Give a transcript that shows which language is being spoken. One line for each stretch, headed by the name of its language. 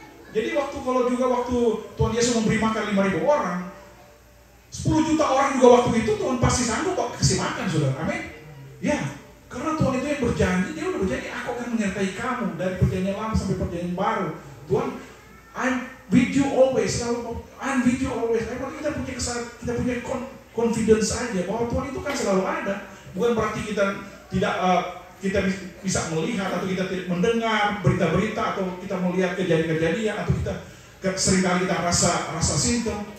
Indonesian: Jadi waktu Tuhan Yesus memberi makan 5.000 orang, 10 juta orang juga waktu itu Tuhan pasti sanggup kok kasih makan, saudara. Amin. Ya, karena Tuhan itu yang berjanji, dia udah berjanji, aku akan menyertai kamu dari perjanjian lama sampai perjanjian baru.
English: Tuhan, I'm with you always.
Indonesian: Tapi kalau kita punya confidence aja bahwa Tuhan itu kan selalu ada. Bukan berarti kita tidak kita bisa melihat atau kita mendengar berita-berita atau kita melihat kejadian-kejadian atau kita seringkali kita rasa sintem.